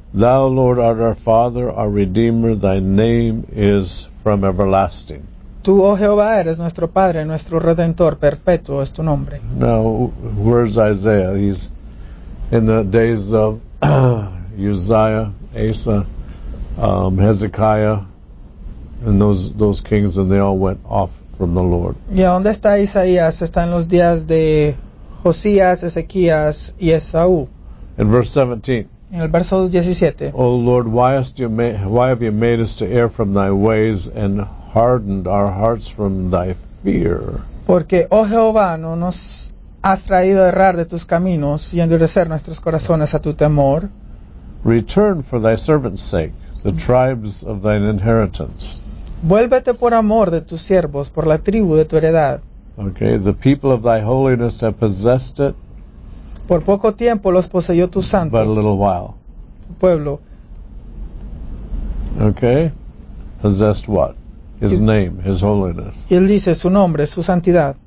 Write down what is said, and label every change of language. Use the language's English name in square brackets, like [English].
[English] Thou, Lord, art our Father, our Redeemer, thy name is from everlasting. [Spanish] Tú, oh Jehová, eres nuestro Padre, nuestro Redentor, perpetuo es tu nombre. [English] Now, where's Isaiah? He's in the days of Uzziah, Asa, Hezekiah, and those kings, and they all went off from the Lord. [Spanish] ¿Y a dónde está Isaías? Está en los días de Josías, Ezequías y Esaú. [English] In verse 17. [Spanish] En el verso 17. [English] O Lord, why have you made us to err from thy ways and hardened our hearts from thy fear? [Spanish] Porque, oh Jehová, no nos has traído a errar de tus caminos y endurecer nuestros corazones a tu temor. [English] Return for thy servant's sake, the tribes of thine inheritance. [Spanish] Vuélvete por amor de tus siervos, por la tribu de tu heredad. [English] Okay, the people of thy holiness have possessed it. [Spanish] Por poco tiempo los poseyó tu santo. [English] But a little while. [Spanish] Pueblo. [English] Okay. Possessed what? His name, his holiness. [Spanish] Y él dice su nombre, su santidad.